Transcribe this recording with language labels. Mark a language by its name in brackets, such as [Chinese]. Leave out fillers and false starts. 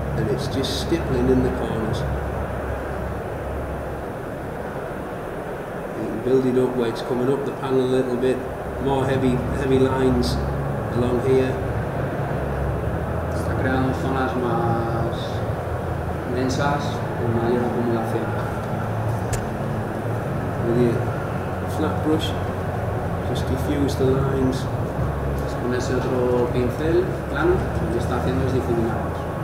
[English] It's just stippling in the corners. You can build it up where it's coming up the panel a little bit. More heavy lines along here. [Spanish] Está creando zonas más densas con mayor acumulación. [English] With your flat brush, just diffuse the lines. [Spanish] Con ese otro pincel plano, lo que está haciendo es difuminar.